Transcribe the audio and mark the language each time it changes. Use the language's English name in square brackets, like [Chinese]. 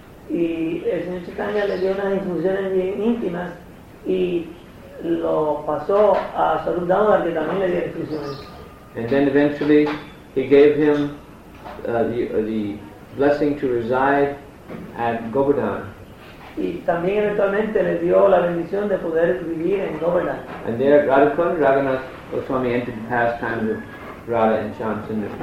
[Spanish] Y el Señor Chaitanya le dio unas instrucciones bien íntimas y lo pasó a Swarup Damodar, que también le dio instrucciones. [English] And then eventually he gave him the blessing to reside at Govardhan. [Spanish] Y también eventualmente le dio la bendición de poder vivir en Govardhan. [English] And there Radhakund, Raghunath Goswami entered the pastime of Radha and Shyam Sundar.